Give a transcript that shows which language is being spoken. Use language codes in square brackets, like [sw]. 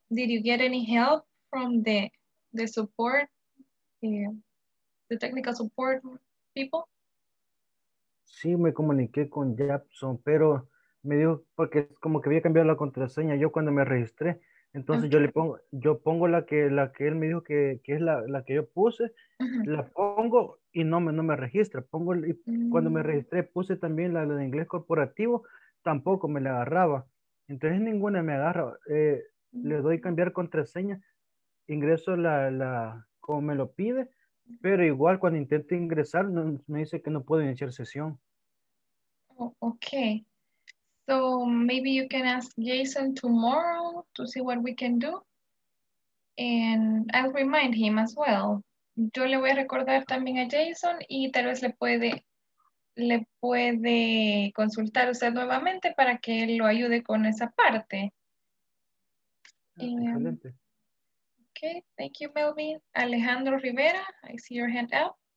[en] Did you get any help from the support, the technical support people? [es] Sí, me comuniqué con Japson, pero me dijo porque como que había cambiado la contraseña yo cuando me registré. Entonces okay. yo pongo la que él me dijo que es la que yo puse, la pongo y no me registra. Pongo y cuando me registré puse también la de inglés corporativo, tampoco me la agarraba. Entonces ninguna me agarra. Le doy cambiar contraseña, ingreso la como me lo pide, pero igual cuando intento ingresar no, me dice que no puedo iniciar sesión. [en] Oh, okay. So maybe you can ask Jason tomorrow to see what we can do. And I'll remind him as well. [es] Yo le voy a recordar también a Jason y tal vez le puede consultar usted nuevamente para que él lo ayude con esa parte. Excelente. [en] Okay, thank you, Melvin. Alejandro Rivera, I see your hand out.